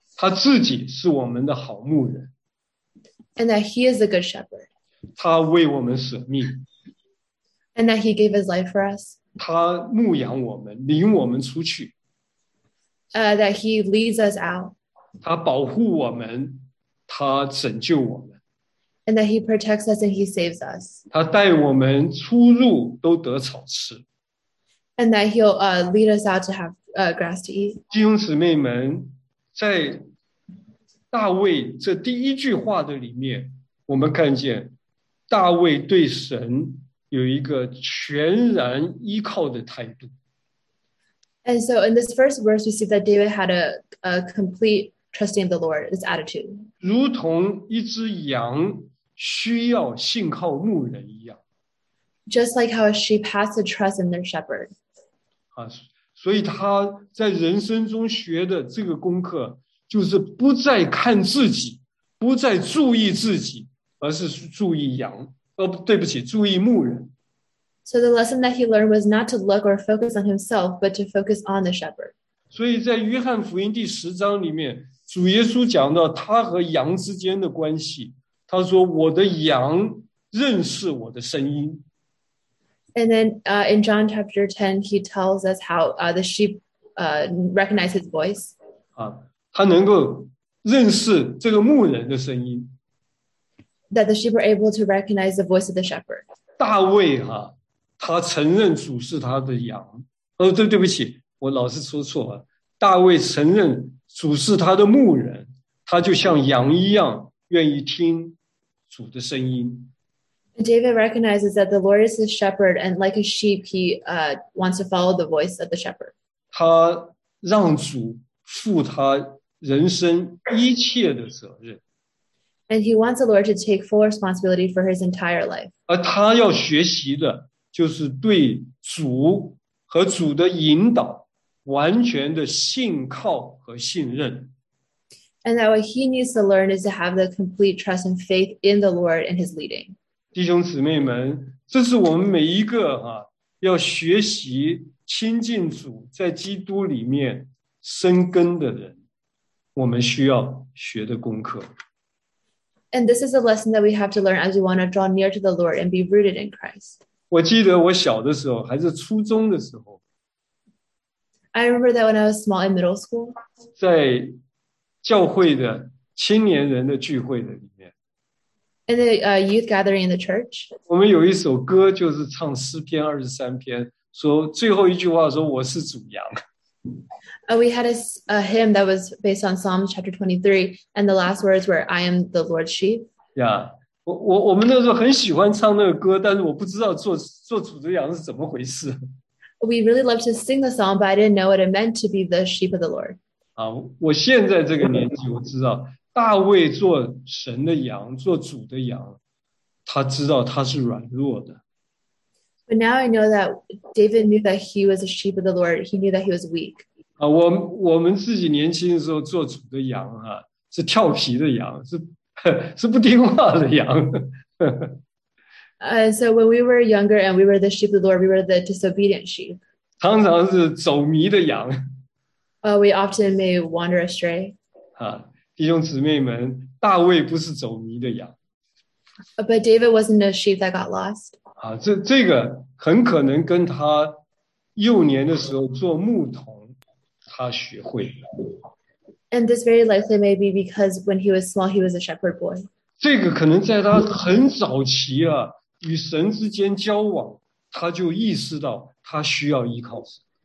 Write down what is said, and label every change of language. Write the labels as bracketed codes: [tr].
[zh] 他自己是我们的好牧人。 [en] And that he is a good shepherd. [zh] 他为我们舍命。 [en] And that he gave his life for us. [zh] 他牧养我们，领我们出去。 [en] That he leads us out. [zh] 他保护我们，他拯救我们。 [en] And that he protects us and he saves us. [zh] 他带我们出入都得草吃。 [en] And that he'll lead us out to have grass to eat. [zh] 弟兄姊妹们，在大卫这第一句话的里面，我们看见大卫对神有一个全然依靠的态度。 [en] And so in this first verse, we see that David had a complete trusting the Lord, this attitude. [zh] 如同一只羊。需要信靠牧人一样 [en] ，just like how a sheep has to trust in their shepherd. [zh] 啊，所以他在人生中学的这个功课，就是不再看自己，不再注意自己，而是注意羊。对不起，注意牧人。 [en] So the lesson that he learned was not to look or focus on himself, but to focus on the shepherd. [zh] 所以在约翰福音第十章里面，主耶稣讲到他和羊之间的关系。他说我的羊认识我的声音。 [en] And then in John chapter 10, he tells us how the sheep recognize his voice. [zh] 他能够认识这个牧人的声音。 [en] That the sheep are able to recognize the voice of the shepherd. [zh] 大卫啊，他承认主是他的羊。哦，对不起，我老是说错了。大卫承认主是他的牧人，他就像羊一样。愿意听主的声音。 [en] David recognizes that the Lord is his shepherd, and like a sheep, he wants to follow the voice of the shepherd. [zh] 他让主负他人生一切的责任。 [en] And he wants the Lord to take full responsibility for his entire life. [zh] 而他要学习的就是对主和主的引导完全的信靠和信任。 [en] And that what he needs to learn is to have the complete trust and faith in the Lord and his leading. [zh] 弟兄姊妹们，这是我们每一个啊，要学习亲近主，在基督里面生根的人，我们需要学的功课。 [en] And this is a lesson that we have to learn as we want to draw near to the Lord and be rooted in Christ. [zh] 我记得我小的时候，还是初中的时候。 [en] I remember that when I was small in middle school. [zh] 在教会的青年人的聚会的里面。 [en] In the youth gathering in the church. [zh] 我们有一首歌就是唱诗篇二十三篇，说最后一句话说我是主羊。 [en] We had a hymn that was based on Psalms chapter 23, and the last words were, I am the Lord's sheep. [zh] Yeah, 我们那时候很喜欢唱那个歌，但是我不知道做主的羊是怎么回事。 [en] We really loved to sing the song, but I didn't know what it meant to be the sheep of the Lord. [zh] 我现在这个年纪我知道，大卫做神的羊，做主的羊，他知道他是软弱的。 [en] But now I know that David knew that he was a sheep of the Lord. He knew that he was weak. [zh] 我们自己年轻的时候做主的羊啊，是调皮的羊，是不听话的羊。 [en] So when we were younger and we were the sheep of the Lord, we were the disobedient sheep. [zh] 常常是走迷的羊。 [en] We often may wander astray. [zh] 弟兄姊妹们，大卫不是走迷的羊。 [en] But David wasn't a sheep that got lost. [zh] 这个很可能跟他幼年的时候做牧童，他学会的。 [en] And this very likely may be because when he was small, he was a shepherd boy. [zh] 这个可能在他很早期啊，与神之间交往，他就意识到他需要依靠神。